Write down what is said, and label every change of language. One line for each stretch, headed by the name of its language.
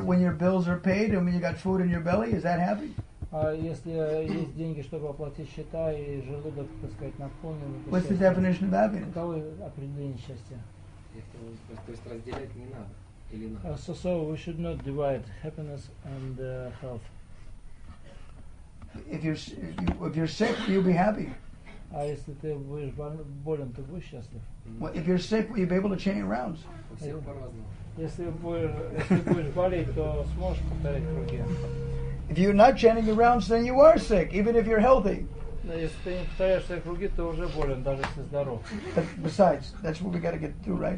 English: When your bills are paid and when you got food in your belly, is that happy?
Russian: А если есть деньги, чтобы оплатить счета и желудок, так сказать, наполнен.
English: What's the definition of happiness?
Russian: Каково определение счастья? То есть разделять не надо или надо?
English: So we should not divide happiness and health. If you're sick, you'll be happy.
Russian: А если ты будешь болен, ты будешь счастлив?
English: Well, if you're sick, will you be able to chain rounds?
Russian: Если будешь болеть, то сможешь повторить круги.
English: If you're not chaining your rounds, then you are sick, even if you're healthy.
Russian: Если ты не повторяешься круги, то уже болен, даже если здоров.
English: But besides, that's what we got to get through, right?